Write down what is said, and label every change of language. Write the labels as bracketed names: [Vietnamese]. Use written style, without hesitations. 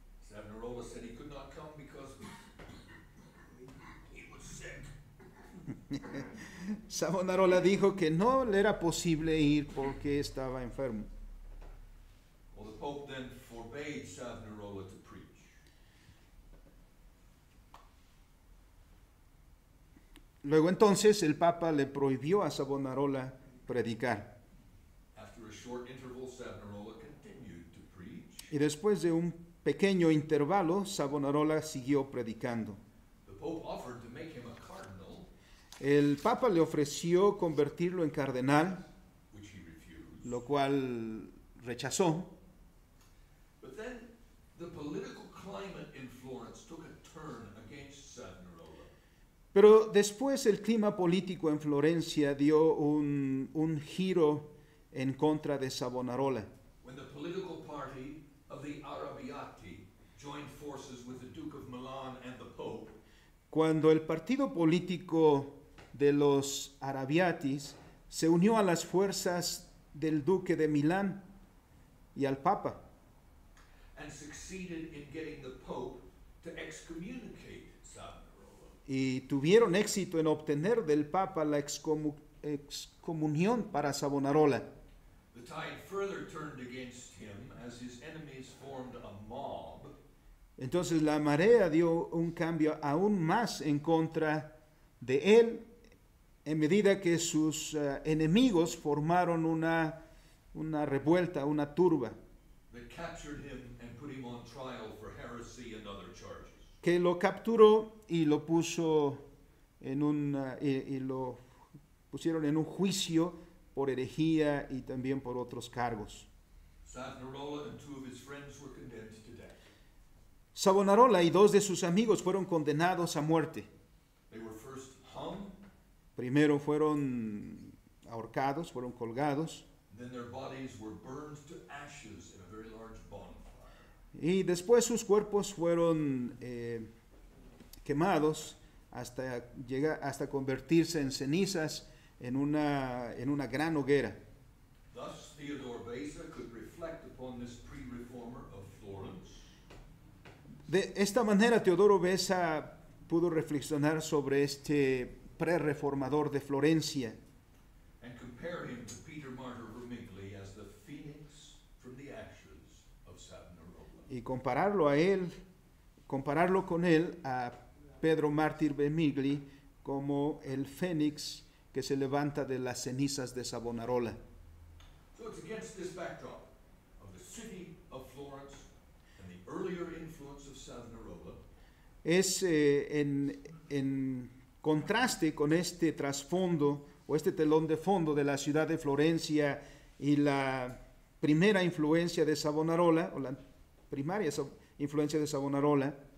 [English] Savonarola said he could not come because he was sick. [Spanish] Savonarola dijo que no le era posible ir porque estaba enfermo. [English] Well, the Pope then forbade Savonarola to preach. [Spanish] Luego entonces el Papa le prohibió a Savonarola predicar. [English] After a short interval, Savonarola continued to preach. [Spanish] Y después de un pequeño intervalo, Savonarola siguió predicando. [English] The Pope offered to make him a cardinal, [Spanish] el Papa le ofreció convertirlo en cardenal, [English] which he refused, [Spanish] lo cual rechazó. [English] But then the political climate in Florence took a turn against Savonarola. [Spanish] Pero después el clima político en Florencia dio un giro en contra de Savonarola. [English] When the political party of the Arrabbiati joined forces with the Duke of Milan and the Pope. [Spanish] Cuando el partido político de los Arrabbiatis se unió a las fuerzas del Duque de Milán y al Papa. [English] And succeeded in getting the Pope to excommunicate Savonarola. [Spanish] Y tuvieron éxito en obtener del Papa la excomunión para Savonarola. [English] The tide further turned against him as his enemies formed a mob. [Spanish] Entonces la marea dio un cambio aún más en contra de él en medida que sus enemigos formaron una revuelta, una turba. [English] They captured him and put him on trial for heresy and other charges. [Spanish] Que lo capturó y lo puso en un y lo pusieron en un juicio por herejía y también por otros cargos. [English] Savonarola and two of his friends were condemned to death. [Spanish] Savonarola y dos de sus amigos fueron condenados a muerte. [English] They were first hung. [Spanish] Primero fueron ahorcados, fueron colgados. [English] Then their bodies were burned to ashes in a very large bonfire. [Spanish] Y después sus cuerpos fueron quemados hasta convertirse en cenizas en una gran hoguera. [English] Thus, Theodore Beza could reflect upon this pre-reformer of Florence. [Spanish] De esta manera, Teodoro Beza pudo reflexionar sobre este pre-reformador de Florencia. [English] And compare him to Peter Martyr Vermigli as the phoenix from the ashes of Savonarola. [Spanish] Y compararlo con él a Pedro Mártir Vermigli como el fénix que se levanta de las cenizas de Savonarola. [English] So it's against this backdrop of the city of Florence and the earlier influence of Savonarola. [Spanish] Es en contraste con este trasfondo o este telón de fondo de la ciudad de Florencia y la primera influencia de Savonarola o la primaria influencia de Savonarola.